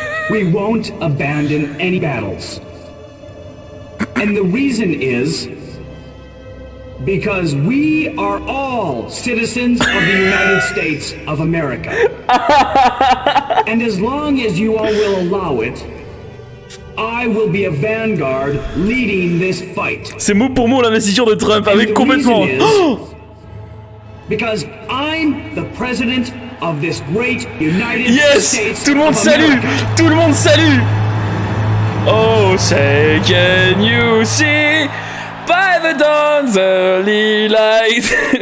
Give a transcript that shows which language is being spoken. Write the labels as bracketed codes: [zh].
[en] We won't abandon any battles. And the reason is because we are all citizens of the United States of America. And as long as you all will allow it, I will be a vanguard leading this fight. [fr] C'est mot pour mot l'investiture de Trump avec complètement. [en] Because I'm the president of this great United States. [fr] Tout le monde salue. Tout le monde salue. [en] Oh, say can you see by the dawn's early light?